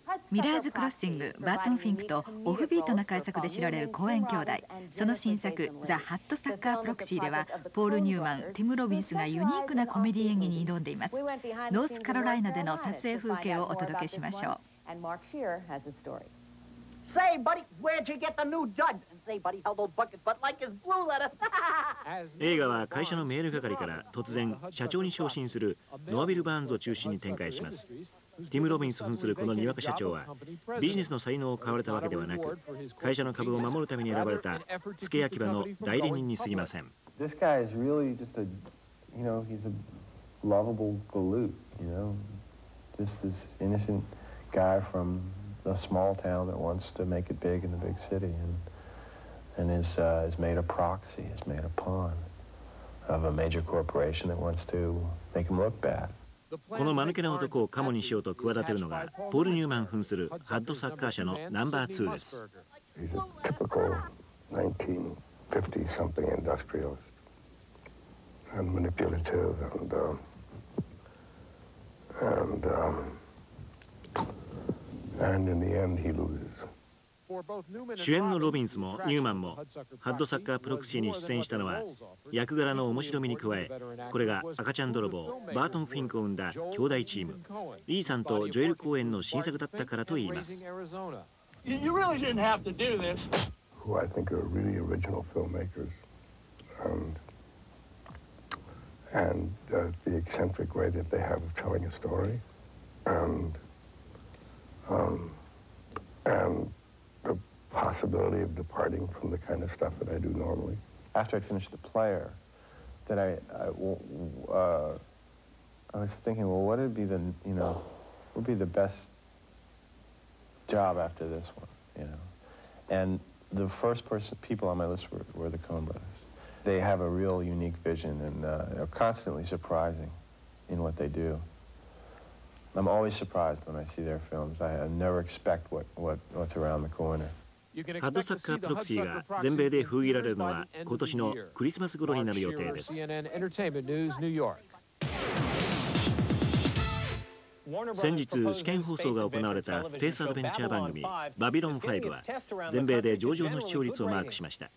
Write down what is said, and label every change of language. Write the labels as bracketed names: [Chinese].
[Japanese] ミラーズ・クロッシング、バートン・フィンクとオフビートな改作で知られるコーエン兄弟、その新作「ザ・ハット・サッカー・プロクシー」ではポール・ニューマン、ティム・ロビンスがユニークなコメディ演技に挑んでいます。ノースカロライナでの撮影風景をお届けしましょう。 [English] And Mark Shearer has a story. Say, buddy, where'd you get the new jug? Say, buddy, held old bucket butt like his blue lettuce. [Japanese] 映画は会社のメール係から突然社長に昇進するノア・ビル・バーンズを中心に展開します。ティム・ロビンス扮するこのにわか社長はビジネスの才能を買われたわけではなく、会社の株を守るために選ばれた付け焼き場の代理人にすぎません。 [English] This guy is really just a, you know, he's a lovable galoot, you know, just this innocentguy from a small town that wants to make it big in the big city, and is made a proxy, is made a pawn of a major corporation that wants to make him look bad. [Japanese] この間抜けな男をカモにしようと企てるのがポール・ニューマン扮するハッドサッカー社のナンバー2です。 [English] He's a typical 1950-something industrialist and manipulative and in the end he loses. [Japanese] 主演のロビンスもニューマンもハッドサッカープロクシーに出演したのは、役柄の面白みに加え、これが赤ちゃん泥棒バートン・フィンクを生んだ兄弟チーム、イーサンとジョエル・コーエンの新作だったからといいます。 [English] You really didn't have to do this. Who I think are really original filmmakers and the eccentric way that they have of telling a story and the possibility of departing from the kind of stuff that I do normally. After I finished The Player, then I was thinking, well, what would be the, you know, what would be the best job after this one, you know? And the first person, people on my list were the Coen brothers. They have a real unique vision and are constantly surprising in what they do. I'm always surprised when I see their films. I never expect what's around the corner. [Japanese] ハッドサッカープロクシーが全米で封切られるのは今年のクリスマス頃になる予定です。先日試験放送が行われたスペースアドベンチャー番組バビロン5は全米で上々の視聴率をマークしました。